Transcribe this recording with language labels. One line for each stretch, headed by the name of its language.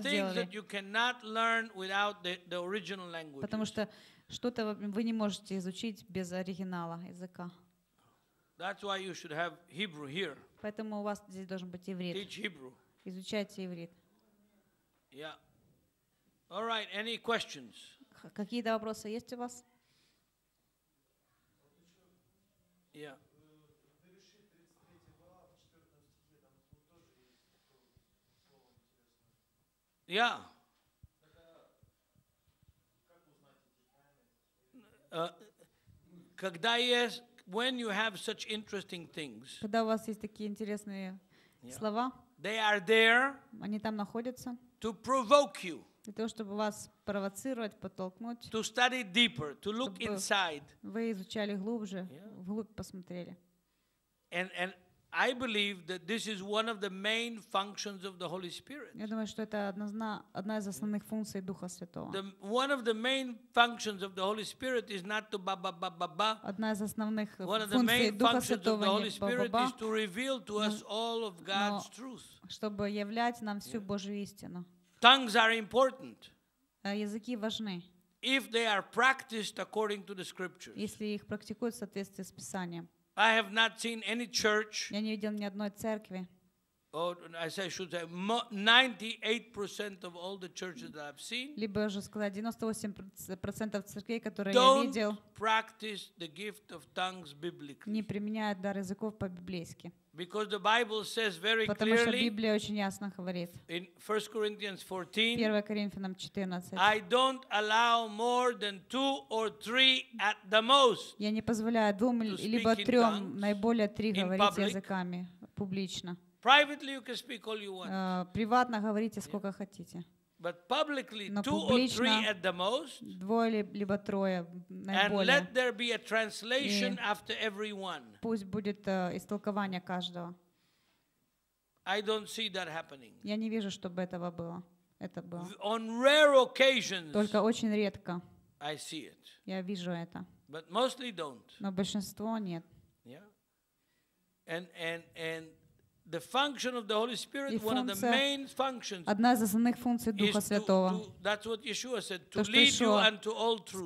English: Because there are things that you cannot learn without the original language.
Russian: Потому что что-то вы не можете изучить без оригинала языка.
English: That's why you should have Hebrew here.
Russian: Поэтому у вас здесь должен быть иврит.
English: Teach Hebrew.
Russian: Изучайте иврит.
English: Yeah. All right. Any questions?
Russian: Какие-то вопросы есть у вас?
English: Yeah. Yeah.
Russian: Когда есть,
English: when you have such interesting things.
Russian: Когда у вас есть такие интересные слова.
English: They are there.
Russian: Они там находятся.
English: To provoke you.
Russian: Для того, чтобы вас провоцировать, подтолкнуть.
English: To study deeper, to look inside.
Russian: Вы изучали глубже, вглубь посмотрели.
English: And I believe that this is one of the main functions of the Holy Spirit.
Russian: Я думаю, что это одна из основных функций Духа Святого.
English: One of the main functions of the Holy Spirit is not to ba ba ba ba ba.
Russian: Одна из основных функций Духа Святого.
English: One of the main functions of the Holy Spirit ba-ba-ba is to reveal to us all of God's truth.
Russian: Чтобы являть нам всю Божью истину.
English: Tongues are important.
Russian: Языки важны.
English: If they are practiced according to the Scriptures.
Russian: Если их практикуют в соответствии с Писанием.
English: I have not seen any church.
Russian: Я не видел ни одной церкви.
English: I should say 98% of all the churches that I've seen.
Russian: Либо же сказать 98% церквей, которые я видел.
English: Don't practice the gift of tongues biblically.
Russian: Не применяют дар языков по-библейски.
English: Because the Bible says very clearly.
Russian: Потому что Библия очень ясно говорит.
English: In 1 Corinthians 14.
Russian: 1 Коринфянам 14.
English: I don't allow more than two or three at the most.
Russian: Я не позволяю двум либо трём, наиболее три говорить языками публично.
English: Privately you can speak all you want.
Russian: Приватно говорите сколько хотите.
English: But publicly two or three at the most.
Russian: Двое либо трое наиболее.
English: And let there be a translation after every one.
Russian: Пусть будет истолкование каждого.
English: I don't see that happening.
Russian: Я не вижу, чтобы этого было. Это было.
English: On rare occasions.
Russian: Только очень редко.
English: I see it.
Russian: Я вижу это.
English: But mostly don't.
Russian: Но большинство нет.
English: Yeah. And the function of the Holy Spirit, one of the main functions.
Russian: Одна из основных функций Духа Святого.
English: That's what Yeshua said, to lead you unto all truth.